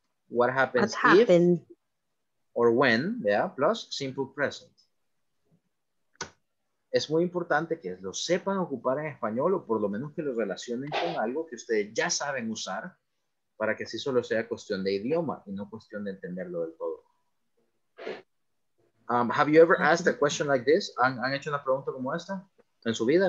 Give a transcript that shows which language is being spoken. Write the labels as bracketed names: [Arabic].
[English] What happens if or when, yeah, plus simple present. [Spanish] es muy importante que lo sepan ocupar en español o por lo menos que lo relacionen con algo que ustedes ya saben usar para que así solo sea cuestión de idioma y no cuestión de entenderlo del todo. [English] Have you ever asked a question like this? [Spanish] ¿Han hecho una pregunta como esta en su vida?